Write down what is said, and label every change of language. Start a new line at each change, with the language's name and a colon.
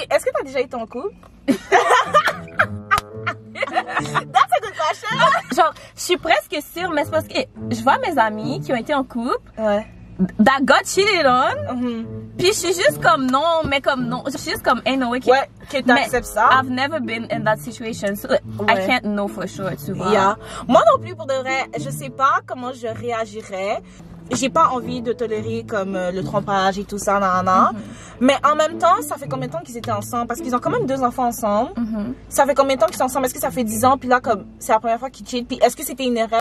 French: Est-ce que t'as déjà eu ton couple?
English: That's a good question.
French: Genre, je suis presque sûre, mais c'est parce que je vois mes amis qui ont été en couple. Ouais.
English: That got cheated on. Mm-hmm.
French: Puis je suis juste comme non, mais comme non. Je suis juste comme
English: ain't no way.
French: Ouais, que t'acceptes ça.
English: I've never been in that situation, so
French: ouais.
English: I can't know for sure,
French: tu vois.
English: Yeah.
French: Moi non plus, pour de vrai, je sais pas comment je réagirais. J'ai pas envie de tolérer comme le trompage et tout ça, mm-hmm. Mais en même temps, ça fait combien de temps qu'ils étaient ensemble? Parce qu'ils ont quand même deux enfants ensemble. Mm-hmm. Ça fait combien de temps qu'ils sont ensemble? Est-ce que ça fait 10 ans? Puis là, comme, c'est la première fois qu'ils cheatent. Puis est-ce que c'était une erreur?